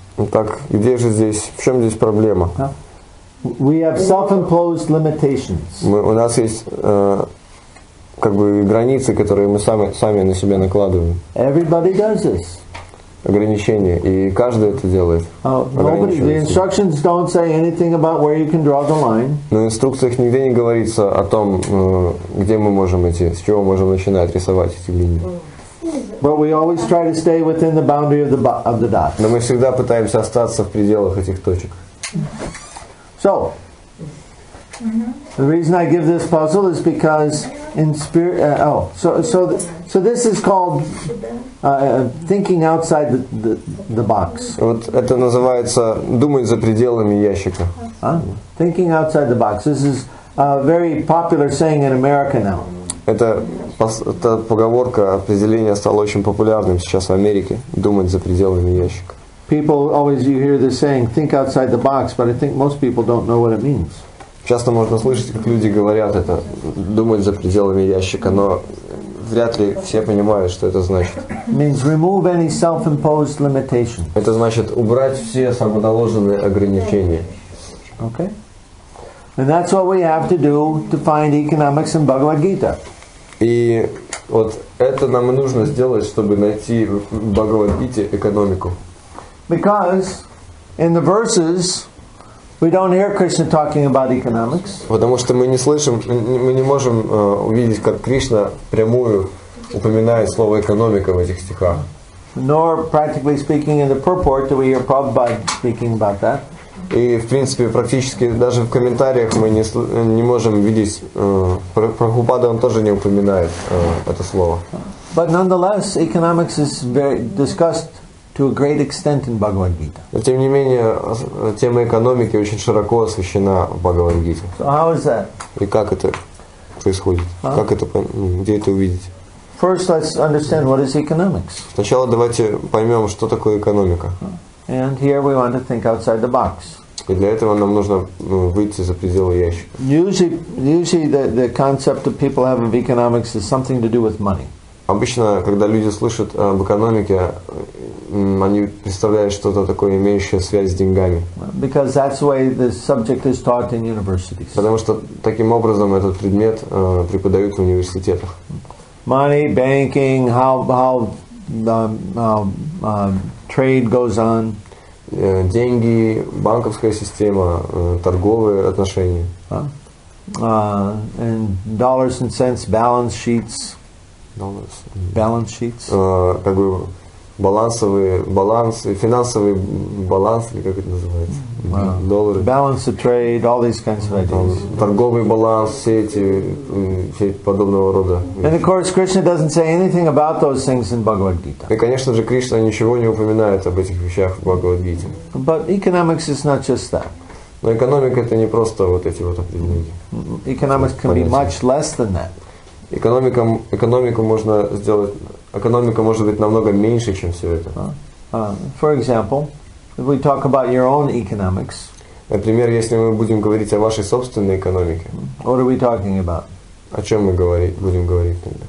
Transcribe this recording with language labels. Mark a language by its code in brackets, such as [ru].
[ru] Так, где же здесь, в чем здесь проблема? [en] We have self-imposed limitations. [ru] У нас есть как бы границы, которые мы сами на себя накладываем. [en] Everybody does this. [ru] Ограничения. И каждый это делает. [en] The instructions don't say anything about where you can draw the line. [ru] Но в инструкциях нигде не говорится о том, где мы можем идти, с чего можем начинать рисовать эти линии. [en] But we always try to stay within the boundary of the dots. [ru] Но мы всегда пытаемся остаться в пределах этих точек. [en] So, the reason I give this puzzle is because in spirit. So this is called thinking outside the box. [ru] Вот это называется думать за пределами ящика. [en] Thinking outside the box. This is a very popular saying in America now. [ru] Это поговорка, определение стало очень популярным сейчас в Америке. Думать за пределами ящика. [en] People always you hear this saying, think outside the box, but I think most people don't know what it means. [ru] Часто можно слышать, как люди говорят это, думать за пределами ящика, но вряд ли все понимают, что это значит. [en] Means remove any self-imposed limitations. [ru] Это значит убрать все самоналоженные ограничения. [en] Okay. And that's what we have to do to find economics in Bhagavad Gita. [ru] И вот это нам нужно сделать, чтобы найти в Бхагавад Гите экономику. [en] Because in the verses we don't hear Krishna talking about economics. [ru] Потому что мы не слышим, мы не можем увидеть, как Кришна прямую упоминает слово экономика в этих стихах. [en] Nor practically speaking in the purport do we hear Prabhupada speaking about that. [ru] И, в принципе, практически даже в комментариях мы не можем видеть, Прабхупада он тоже не упоминает это слово. [en] But nonetheless, economics is very discussed to a great extent in Bhagavad Gita. [ru] Но, тем не менее, тема экономики очень широко освещена в Бхагавад Гите. [en] So how is that? [ru] И как это происходит? Huh? Как это, где это увидеть? [en] First, let's understand what is economics. [ru] Сначала давайте поймем, что такое экономика. [en] And here we want to think outside the box. [ru] И для этого нам нужно выйти за пределы ящика. [en] Usually the concept that people have of economics is something to do with money. [ru] Обычно, когда люди слышат об экономике, они представляют что-то такое, имеющее связь с деньгами. [en] Because that's the way the subject is taught in universities. [ru] Потому что таким образом этот предмет преподают в университетах. [en] Money, banking, trade goes on. [ru] Деньги, банковская система, торговые отношения. [en] And dollars and cents, balance sheets. Dollars. Balance sheets. [ru] Как бы финансовый баланс, или как это называется? Доллары. [en] Balance of trade, all these kinds of ideas. [ru] Торговый баланс, все подобного рода. [en] And of course, Krishna doesn't say anything about those things in Bhagavad Gita. [ru] И, конечно же, Кришна ничего не упоминает об этих вещах в Бхагавад Гите. [en] But economics is not just that. [ru] Но экономика это не просто вот эти вот определения. [en] Economics can be much less than that. [ru] Экономика может быть намного меньше, чем все это. [en] For example, if we talk about your own economics. [ru] Например, если мы будем говорить о вашей собственной экономике. [en] What are we talking about? [ru] О чем мы будем говорить тогда?